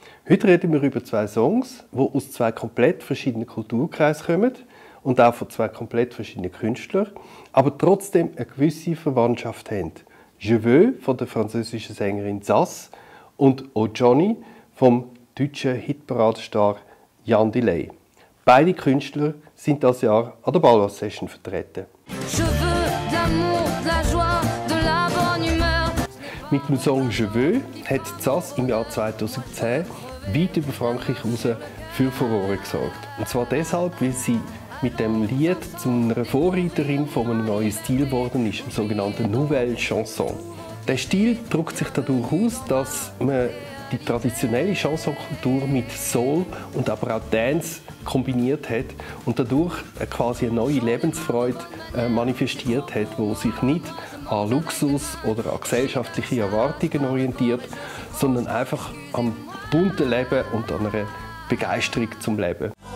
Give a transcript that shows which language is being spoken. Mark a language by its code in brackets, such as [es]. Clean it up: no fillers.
[de] Heute reden wir über zwei Songs, die aus zwei komplett verschiedenen Kulturkreisen kommen und auch von zwei komplett verschiedenen Künstlern, aber trotzdem eine gewisse Verwandtschaft haben. «Je veux» von der französischen Sängerin Zaz und «Oh Jonny» vom deutschen Hitparadestar Jan Delay. Beide Künstler sind dieses Jahr an der Baloise Session vertreten. [fr] Je veux de l'amour, de la joie, de la bonne humeur. [de] Mit dem Song «Je veux» hat Zaz im Jahr 2010 weit über Frankreich raus für Furore gesorgt. Und zwar deshalb, weil sie mit dem Lied zu einer Vorreiterin von einem neuen Stil geworden ist, dem sogenannten Nouvelle Chanson. Der Stil drückt sich dadurch aus, dass man die traditionelle Chansonkultur mit Soul und aber auch Dance kombiniert hat und dadurch quasi eine neue Lebensfreude manifestiert hat, die sich nicht an Luxus oder an gesellschaftliche Erwartungen orientiert, sondern einfach am bunten Leben und an einer Begeisterung zum Leben.